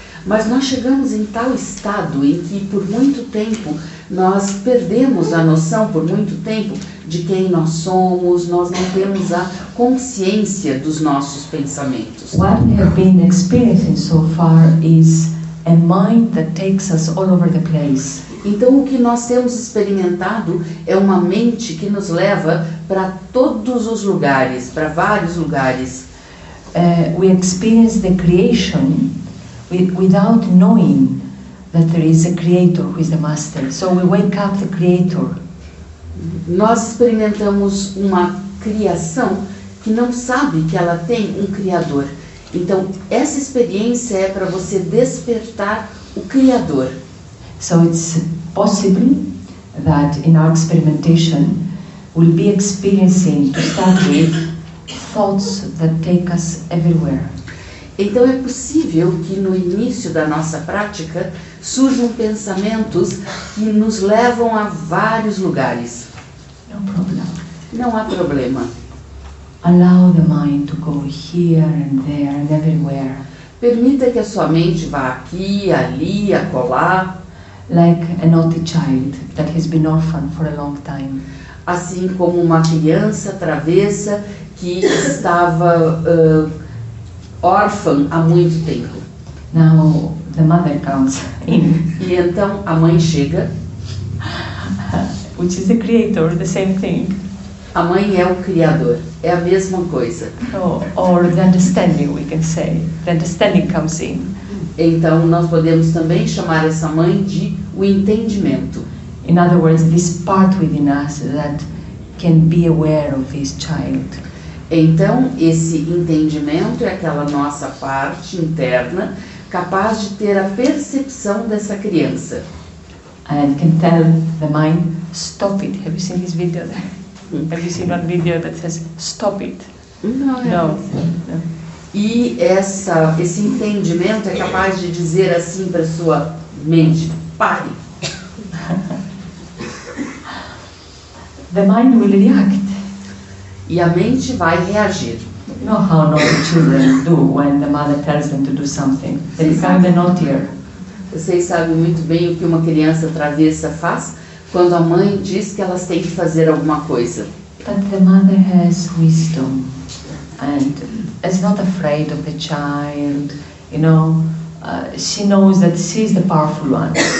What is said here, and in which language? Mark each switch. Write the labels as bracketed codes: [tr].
[pt] Mas nós chegamos em tal estado em que por muito tempo nós perdemos a noção por muito tempo de quem nós somos, nós não temos a consciência dos nossos pensamentos. [en] What we have been experiencing so far is a mind that takes us all over the place. [pt] Então o que nós temos experimentado é uma mente que nos leva para todos os lugares, para vários lugares. [en] We experience the creation without knowing that there is a creator who is the master. So we wake up the creator. [pt] Nós experimentamos uma criação que não sabe que ela tem um criador. Então essa experiência é para você despertar o criador. [en] So it's possible that in our experimentation we'll be experiencing to start with thoughts that take us everywhere. [pt] Então é possível que no início da nossa prática surjam pensamentos que nos levam a vários lugares. [en] No problem. [pt] Não há problema. [en] Allow the mind to go here and there and everywhere. [pt] Permita que a sua mente vá aqui, ali, acolá. [en] Like a naughty child that has been orphaned for a long time. [pt] Assim como uma criança travessa que estava órfã há muito tempo. [en] Now the mother comes in. [pt] E então a mãe chega. [en] Which is the creator, the same thing. [pt] A mãe é o criador, é a mesma coisa. [en] Or the understanding, we can say. The understanding comes in. [pt] Então nós podemos também chamar essa mãe de o entendimento. [en] In other words, this part within us that can be aware of this child. [pt] Então, esse entendimento é aquela nossa parte interna capaz de ter a percepção dessa criança. [en] And can tell the mind, stop it. Have you seen this video? Have you seen that video that says, stop it? No. [pt] E esse entendimento é capaz de dizer assim para sua mente, pare. [en] The mind will react. [pt] E a mente vai reagir. [en] You know how naughty children do when the mother tells them to do something. They become the naughtier. [pt] Vocês sabem muito bem o que uma criança travessa faz quando a mãe diz que elas têm que fazer alguma coisa. [en] But the mother has wisdom and is not afraid of the child. You know, she knows that she's the powerful one.